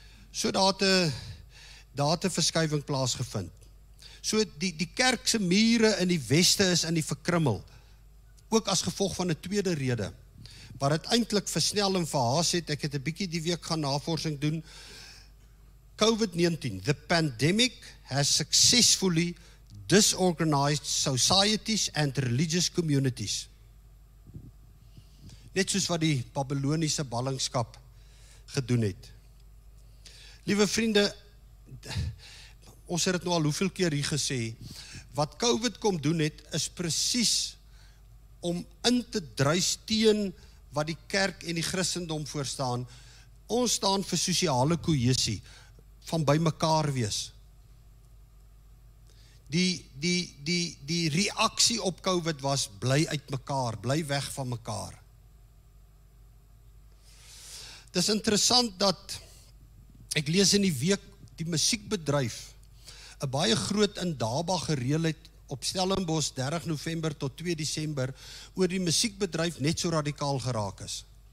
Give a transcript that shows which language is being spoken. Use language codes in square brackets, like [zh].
[af] So daar het 'n verskuiwing plaasgevind. So die kerkse mure in die weste is in die verkrummel, ook as gevolg van 'n tweede rede, wat het eintlik versnel en verhaas het. Ek het 'n bietjie die week gaan navorsing doen. [en] COVID-19, the pandemic has successfully disorganized societies and religious communities. [af] Net soos wat die Babyloniese ballingskap gedoen het. Liewe vriende, ons het nou al hoeveel keer hier gesê, wat COVID kom doen het, is precies om in te druis teen wat die kerk en die Christendom voorstaan. Ons staan vir sosiale kohesie, van by mekaar wees. Die reaksie op COVID was, bly uit mekaar, bly weg van mekaar. Dit is interessant dat, ek lees in die week, die musiekbedryf, 'n baie groot indaba gereël het, op Stellenbosch 30 November tot 2 December, oor die musiekbedryf net so radikaal geraak is.